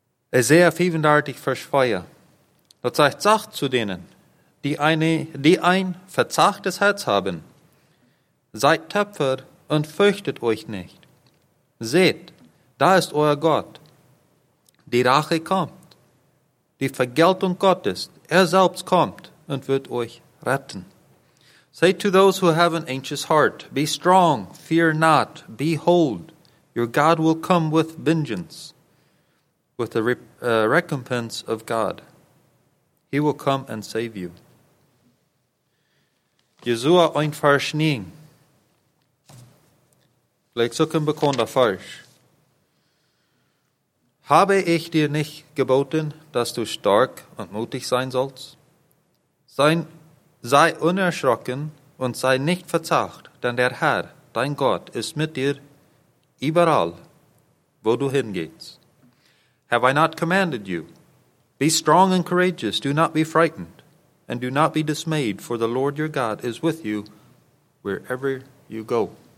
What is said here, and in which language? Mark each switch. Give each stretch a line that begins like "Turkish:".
German: Esaja 35, Vers 4. Dort sagt, sagt zu denen, die ein verzagtes Herz haben, seid tapfer und fürchtet euch nicht. Seht, da ist euer Gott. Die Rache kommt, die Vergeltung Gottes, er selbst kommt und wird euch retten.
English: Say to those who have an anxious heart, be strong, fear not, behold, your God will come with vengeance, with the recompense of God. He will come and save you.
German: Jesua ein Vers 9. Vielleicht so können wir kommen da falsch. Habe ich dir nicht geboten, dass du stark und mutig sein sollst? Sei unerschrocken und sei nicht verzagt, denn der Herr, dein Gott, ist mit dir überall, wo du hingehst.
English: Have I not commanded you? Be strong and courageous, do not be frightened, and do not be dismayed, for the Lord your God is with you wherever you go.